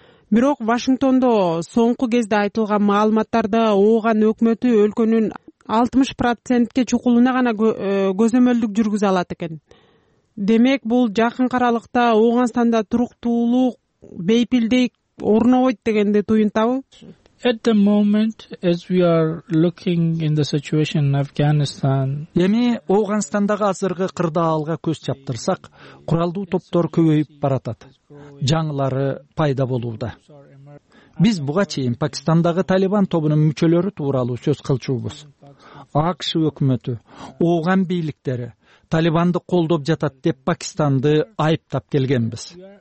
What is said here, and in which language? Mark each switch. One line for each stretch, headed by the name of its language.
Kyrgyz: Бирок Вашингтондо соңку кезде айтылган маалыматтарда Ооган өкмөтү өлкөнүн 60%ке чукулуна гана көзөмөлдүк жүргүзө алат экен. Демек, бул жакын каралыкта Ооганстанда туруктуулук, бейпилдик орнобойт дегенди туюнтабы?
English: At the moment, as we are looking in the situation in Afghanistan,
Kyrgyz: эми Ооганстандагы азыркы кырдаалга көз чаптырсак, куралдуу топтор көбөйүп баратат. Жаңылары пайда болууда. Биз буга чейин Пакистандагы Талибан тобунун мүчөлөрү тууралуу сөз кылчубуз. АКШ өкмөтү, Ооган бийликтери Талибанды колдоп жатат деп Пакистанды айыптап келгенбиз.